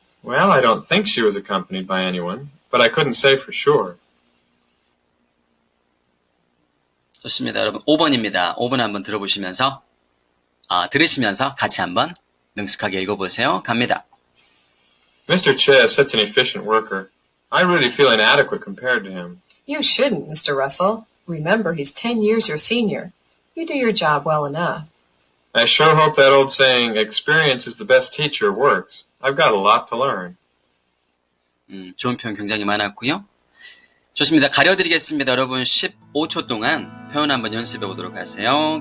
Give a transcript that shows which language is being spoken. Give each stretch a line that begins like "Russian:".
English: Well, I don't think she was accompanied by anyone, but I couldn't say for sure.
Korean: 좋습니다, 여러분. 5번입니다. 5번 한번 들어보시면서, 들으시면서 같이 한번 능숙하게 읽어보세요. 갑니다.
English: Mr. Che is such an efficient worker. I really feel inadequate compared to him. You shouldn't, Mr. Russell. Remember, he's 10 years your senior. You do your job well enough. I sure hope that old saying, experience is the best teacher, works. I've got a lot to learn.
Korean: 좋은 표현 굉장히 많았고요. 좋습니다. 가려드리겠습니다. 여러분, 15초 동안 표현 한번 연습해 보도록 하세요.